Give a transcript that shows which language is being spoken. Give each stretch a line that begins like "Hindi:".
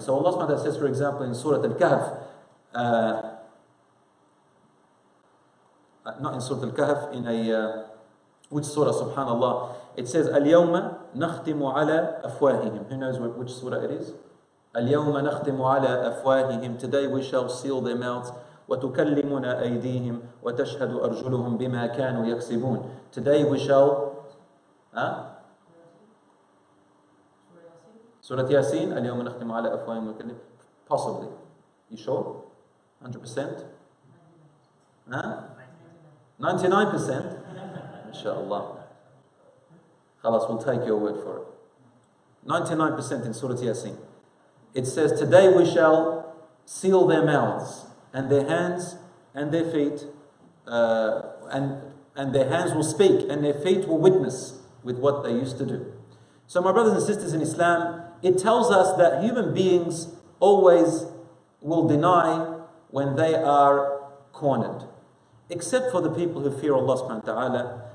English: So Allah subhanahu wa ta'ala says, for example, in Surah Al-Kahf, which surah, subhanAllah, it says, Al-Yawma nakhtimu ala afwahihim. Who knows which surah it is?
Arabic: اليوم نختم على أفواههم.
English: Today we shall seal their mouths.
Arabic: وتكلمنا أيديهم وتشهد أرجلهم بما كانوا يكسبون.
English: Today we shall.
Arabic: سورة ياسين. اليوم نختم على أفواههم وكلم.
English: Possibly. You sure? 100%. 99%. Inshallah. خلاص. We'll take your word for it. 99% in سورة ياسين. It says, today we shall seal their mouths and their hands and their feet and their hands will speak and their feet will witness with what they used to do. So my brothers and sisters in Islam, it tells us that human beings always will deny when they are cornered, except for the people who fear Allah subhanahu wa ta'ala